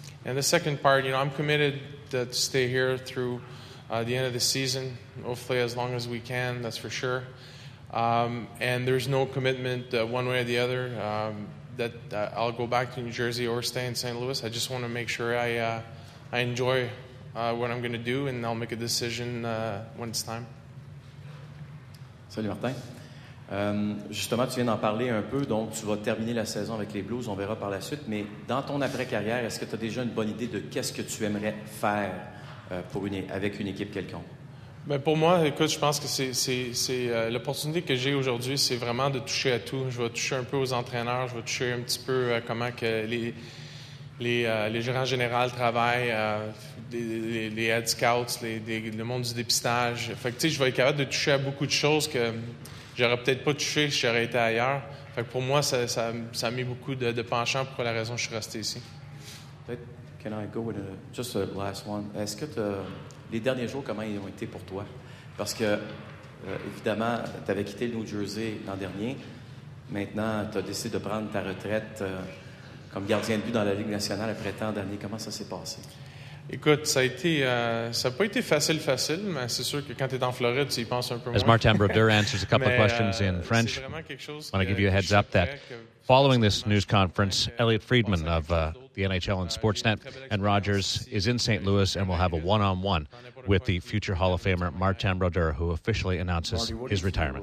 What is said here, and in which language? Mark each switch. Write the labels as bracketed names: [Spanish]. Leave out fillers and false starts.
[English] And the second part, you know, I'm committed to stay here through the end of the season, hopefully as long as we can, that's for sure. And there's no commitment one way or the other that I'll go back to New Jersey or stay in St. Louis. I just want to make sure I enjoy what I'm going to do, and I'll make a decision when it's time. [French] Salut, Martin. Justement, tu viens d'en parler un peu, donc tu vas terminer la saison avec les Blues, on verra par la suite, mais dans ton après-carrière, est-ce que tu as déjà une bonne idée de qu'est-ce que tu aimerais faire avec une équipe quelconque? Ben pour moi, écoute, je pense que c'est l'opportunité que j'ai aujourd'hui, c'est vraiment de toucher à tout. Je vais toucher un peu aux entraîneurs, je vais toucher un petit peu à comment que les gérants généraux travaillent, les head scouts, le monde du dépistage. Fait que, tu sais, je vais être capable de toucher à beaucoup de choses que j'aurais peut-être pas touché si j'aurais été ailleurs. Fait que pour moi, ça a mis beaucoup de penchant pour la raison que je suis resté ici. [English] Can I go with just a last one? [French] Est-ce que les derniers jours, comment ils ont été pour toi? Parce que, évidemment, tu avais quitté le New Jersey l'an dernier. Maintenant, tu as décidé de prendre ta retraite comme gardien de but dans la Ligue nationale après tant d'années. Comment ça s'est passé? Écoute, ça a été, ça a pas été facile, mais c'est sûr que quand t'es en Floride, tu y penses un peu moins. [English] As Martin Brodeur answers a couple of questions in French, I want to give you a heads up that following this news conference, Elliot Friedman of the NHL and Sportsnet and Rogers is in St. Louis and will have a one-on-one with the future Hall of Famer Martin Brodeur, who officially announces his retirement.